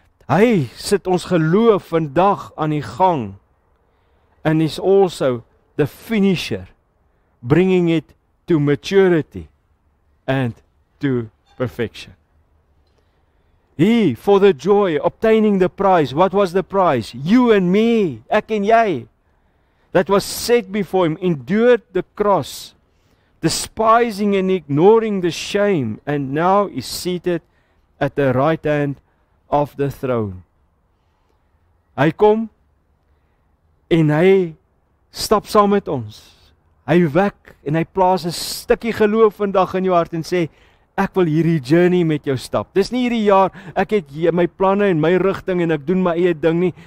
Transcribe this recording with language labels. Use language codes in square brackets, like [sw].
[af] Hy sit ons geloof vandag aan die gang. [en] And is also the finisher, bringing it to maturity and to perfection. He, for the joy, obtaining the prize. What was the prize? You and me, [af] ek en jy. [en] That was set before him, endured the cross, despising and ignoring the shame, and now is seated at the right hand of the throne. [af] Hy kom en hy stap saam met ons. Hy wek en hy plaas 'n stukkie geloof vandag in jou hart en sê, ek wil hierdie journey met jou stap. Dis nie hierdie jaar, ek het my planne en my rigting en ek doen my eie ding nie.